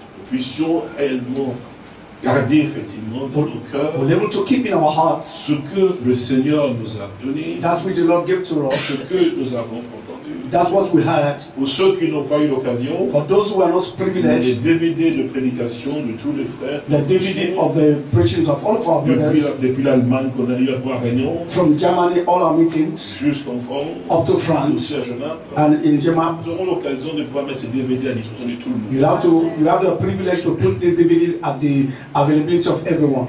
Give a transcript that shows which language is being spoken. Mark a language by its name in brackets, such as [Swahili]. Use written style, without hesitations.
[French] nous puissions réellement garder effectivement dans nos cœurs, [English] we're able to keep in our hearts, [French] ce que le Seigneur nous a donné, [English] that which the Lord gave to us, [French] ce que nous avons entendu, [English] That's what we heard. [French] Pour ceux qui n'ont pas eu l'occasion, [English] for those who are not privileged, [French] les DVD de prédication de tous les frères, [English] the DVD of the preachings of all of our brothers, [French] depuis l'Allemagne qu'on a eu à voir réunion, [English] from Germany all our meetings, [French] jusqu'en France, [English] up to France, [French] aussi à Genève, [English] and in Germany, [French] nous aurons l'occasion de pouvoir mettre ces DVD à disposition de tout le monde. [English] You have the privilege to put these DVDs at the availability of everyone.